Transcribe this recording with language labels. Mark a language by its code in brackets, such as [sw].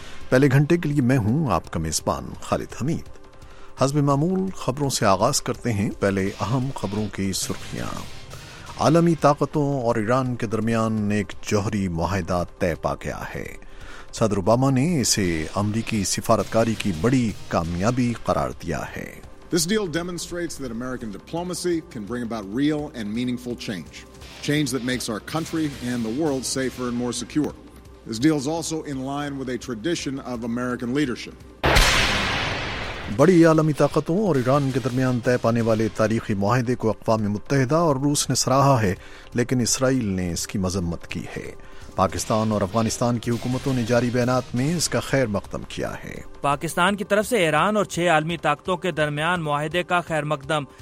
[ur] پہلے گھنٹے کے لیے میں ہوں آپ کا میزبان خالد حمید. حسب معمول خبروں سے آغاز کرتے ہیں. پہلے اہم خبروں کی سرخیاں. عالمی طاقتوں اور ایران کے درمیان ایک جوہری معاہدہ طے پا گیا ہے. صدر اوباما نے اسے امریکی سفارتکاری کی بڑی کامیابی قرار دیا ہے. [en] This deal demonstrates that American diplomacy can bring about real and meaningful change. Change that makes our country and the world safer and more secure. This deal is also in line with a tradition of American leadership. [ur] بڑی عالمی طاقتوں اور ایران کے درمیان طے پانے والے تاریخی معاہدے کو اقوام متحدہ اور روس نے سراہا ہے، لیکن اسرائیل نے اس کی مذمت کی ہے. پاکستان اور افغانستان کی حکومتوں نے جاری بیانات میں اس کا خیر مقدم کیا ہے. پاکستان کی طرف سے ایران اور 6 عالمی طاقتوں کے درمیان معاہدے کا خیر مقدم.